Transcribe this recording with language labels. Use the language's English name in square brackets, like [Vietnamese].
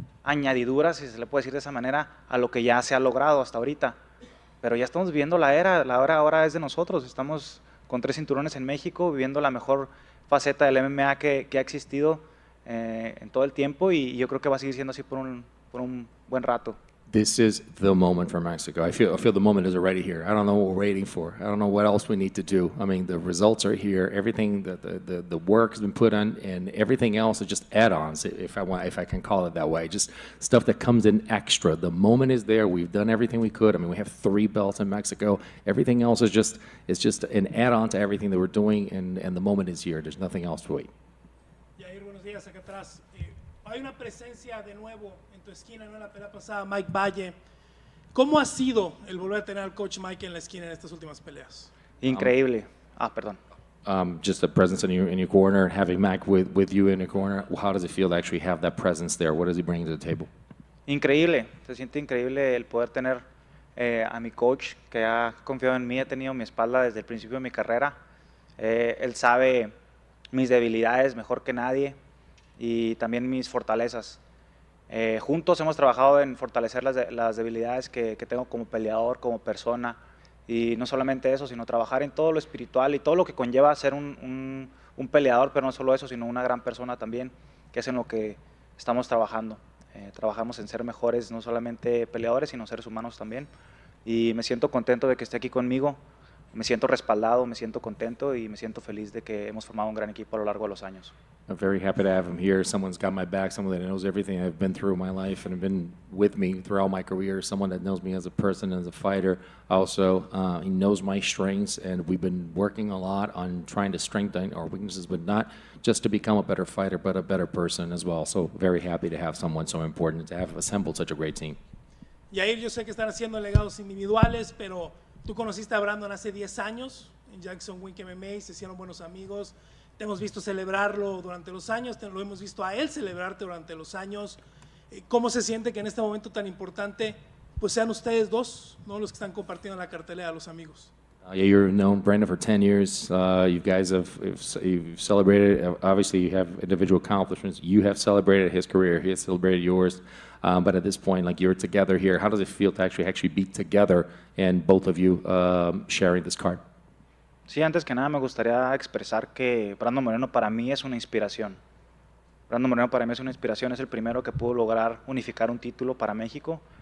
[Spanish] añadiduras, si se le puede decir de esa manera, a lo que ya se ha logrado hasta ahorita. Pero ya estamos viviendo la era ahora es de nosotros. Estamos con tres cinturones en México, viviendo la mejor faceta del MMA que ha existido en todo el tiempo, y yo creo que va a seguir siendo así por un buen rato. [English] This is the moment for Mexico. I feel the moment is already here. I don't know what we're waiting for. I don't know what else we need to do. I mean, the results are here. Everything that the work has been put on, and everything else is just add-ons, if I can call it that way. Just stuff that comes in extra. The moment is there. We've done everything we could. I mean, we have three belts in Mexico. Everything else is just an add-on to everything that we're doing, and the moment is here. There's nothing else to wait. [Spanish] Yair, buenos días, acá atrás. Hay una presencia de nuevo en tu esquina, ¿no? En la pelea pasada, Mike Valle. ¿Cómo ha sido el volver a tener al coach Mike en la esquina en estas últimas peleas? Increíble. Perdón. [English] Just the presence in your corner, having Mike with you in your corner. How does it feel to actually have that presence there? What does he bring to the table? [Spanish] Increíble. Se siente increíble el poder tener a mi coach, que ha confiado en mí, ha tenido mi espalda desde el principio de mi carrera. Él sabe mis debilidades mejor que nadie. Y también mis fortalezas. Juntos hemos trabajado en fortalecer las debilidades que tengo como peleador, como persona. Y no solamente eso, sino trabajar en todo lo espiritual y todo lo que conlleva ser un peleador, pero no solo eso, sino una gran persona también, que es en lo que estamos trabajando. Trabajamos en ser mejores, no solamente peleadores, sino seres humanos también. Y me siento contento de que esté aquí conmigo. Me siento respaldado, me siento contento, y me siento feliz de que hemos formado un gran equipo a lo largo de los años. [English] I'm very happy to have him here. Someone's got my back, someone that knows everything I've been through in my life and have been with me throughout my career, someone that knows me as a person and as a fighter. Also, he knows my strengths, and we've been working a lot on trying to strengthen our weaknesses, but not just to become a better fighter, but a better person as well. So very happy to have someone so important, to have assembled such a great team. [Spanish] Yair, yo sé que están haciendo legados individuales, pero tú conociste a Brandon hace 10 años en Jackson Wink MMA, se hicieron buenos amigos. Te hemos visto celebrarlo durante los años, lo hemos visto a él celebrarte durante los años. ¿Cómo se siente que en este momento tan importante, pues sean ustedes dos, no los que están compartiendo la cartelera, los amigos? [English] Yeah, you've known Brandon for 10 years. You guys have celebrated. Obviously, you have individual accomplishments. You have celebrated his career. He has celebrated yours. But at this point, like, you're together here. How does it feel to actually be together and both of you sharing this card? [Spanish] Sí, antes que nada, me gustaría expresar que Brandon Moreno para mí es una inspiración. Brandon Moreno para mí es una inspiración. Es el primero que pudo lograr unificar un título para México.